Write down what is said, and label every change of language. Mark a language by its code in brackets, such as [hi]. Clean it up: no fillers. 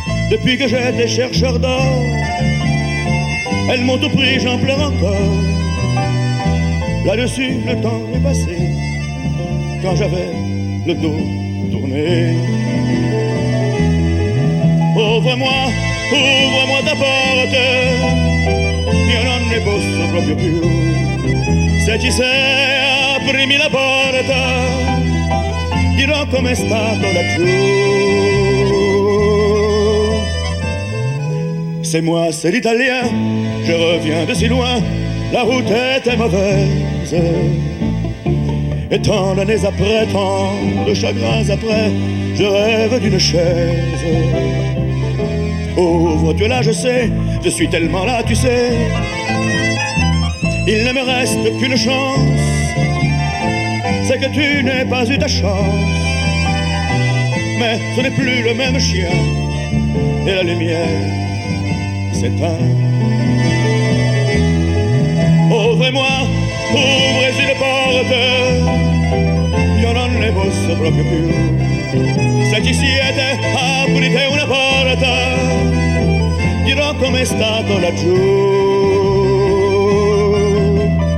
[fr] Depuis que j'ai des chercheurs d'or, elles m'ont tout pris, j'en pleure encore. Là-dessus, le temps est passé, quand j'avais le dos tourné. Ouvre-moi ta porte, [it] io non ne posso proprio più. Se ci sei, aprimi la porta, dirò com'è stato laggiù. [fr] C'est moi, c'est l'italien, je reviens de si loin, la route était mauvaise. Et tant d'années après, tant de chagrins après, je rêve d'une chaise. Ouvre Dieu là, je sais, je suis tellement là, tu sais. Il ne me reste qu'une chance, c'est que tu n'aies pas eu ta chance. Mais ce n'est plus le même chien, et la lumière s'éteint. Ouvrez une porte, [it] io non ne posso proprio più. Se ci siete, aprite una porta, dirò com'è stato laggiù.